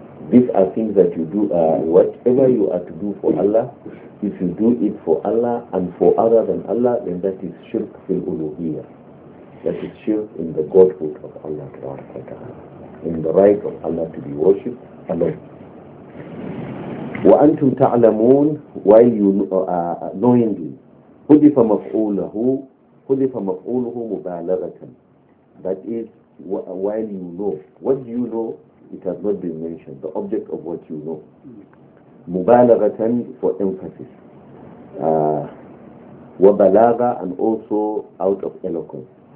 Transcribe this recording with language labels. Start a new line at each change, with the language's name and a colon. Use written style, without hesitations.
English: These are things that you do, whatever you are to do for Allah, if you do it for Allah and for other than Allah, then that is shirk fil uluhiyya. That is shirk in the godhood of Allah, in the right of Allah to be worshipped alone.
Arabic: وَأَنْتُمْ تَعْلَمُونَ
English: while you knowingly
Arabic: حُذِفَ مَفْعُولَهُ حُذِفَ مَفْعُولُهُ مُبَالَغَةً.
English: That is, while you know. What do you know? It has not been mentioned. The object of what you know. مُبَالَغَةً for emphasis. وَبَلَاغَ and also out of eloquence.